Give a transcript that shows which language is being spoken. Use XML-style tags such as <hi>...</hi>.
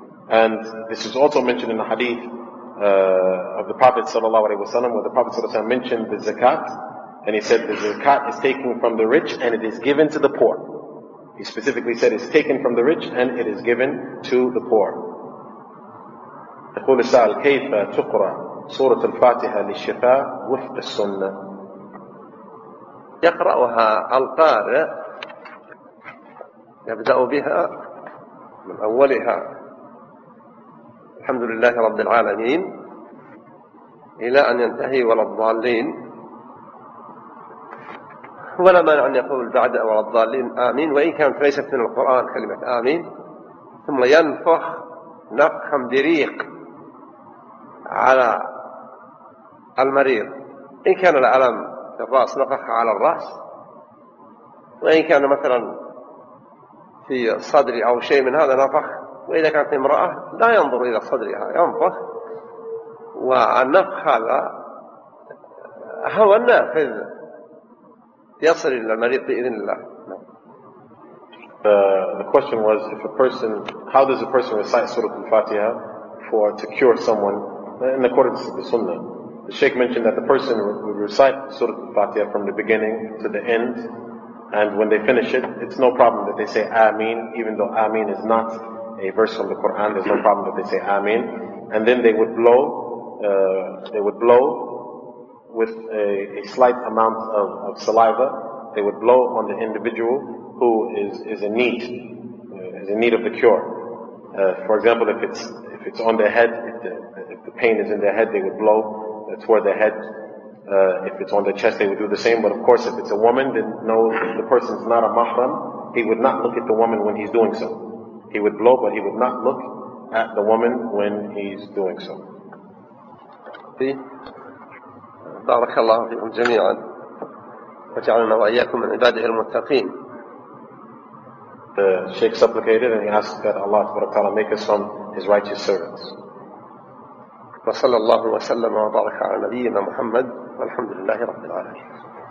<en>And this is also mentioned in the hadith of the Prophet sallallahu alaihi wasallam, where the Prophet sallallahu alaihi wasallam mentioned the zakat, and he said the zakat is taken from the rich and it is given to the poor. He specifically said it's taken from the rich and it is given to the poor.</en> <ar>يقول السائل كيف تقرأ سورة الفاتحة للشفاء وفق السنة؟ يقرأها القارئ يبدأ بها من أولها الحمد لله رب العالمين إلى أن ينتهي ولا الضالين، ولا مانع أن يقول بعد ولا الضالين آمين، وإن كانت ليست من القرآن كلمة آمين، ثم ينفخ نفخا بريق على المريض، إن كان الألم في الرأس نفخ على الرأس، وإن كان مثلا في صدر أو شيء من هذا نفخ، وإذا كانت امرأة لا ينظر إلى صدرها ينفخ. والنفخ هذا هو النافذ يصل إلى المريض بإذن الله.</ar> <en>The question was, if a person, how does a person recite Surah Al-Fatiha for to cure someone in accordance with the Sunnah? The Sheikh mentioned that the person would recite Surah Al-Fatiha from the beginning to the end, and when they finish it, it's no problem that they say Ameen, even though Ameen is not a verse from the Quran. There's no problem that they say Ameen, and then they would blow. They would blow with a slight amount of saliva. They would blow on the individual who is in need of the cure. For example, if it's on their head, if the pain is in their head, they would blow toward their head. If it's on their chest, they would do the same. But of course, if it's a woman, then no, the person's not a mahram. He would not look at the woman when he's doing so. He would blow, but he would not look at the woman when he's doing so.</en> <ar>بارك الله فيكم جميعا وجعلنا وإياكم من عباده المتقين.</ar> <en>The Sheikh supplicated and he asked that Allah Ta'ala make us from his righteous servants.</en> <ar>وصلى الله وسلم وبارك على نبينا محمد والحمد لله رب العالمين.</ar>